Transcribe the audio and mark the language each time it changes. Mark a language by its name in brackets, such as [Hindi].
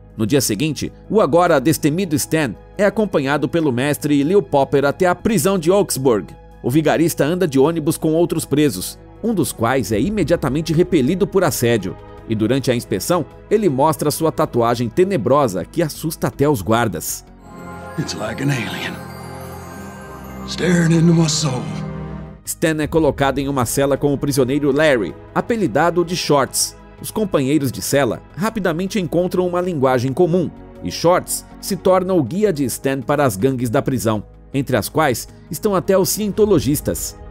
[Portuguese] No dia seguinte, o agora destemido Stan é acompanhado pelo mestre e Lil Popper até a prisão de Augsburg. O vigarista anda de ônibus com outros presos, um dos quais é imediatamente repelido por assédio, e durante a inspeção, ele mostra sua tatuagem tenebrosa que assusta até os guardas. [English] It's like an alien staring into my soul. [Portuguese] Stan é colocado em uma cela com o prisioneiro Larry, apelidado de Shorts. Os companheiros de cela rapidamente encontram uma linguagem comum, e Shorts se torna o guia de Stan para as gangues da prisão, entre as quais estão até os cientologistas.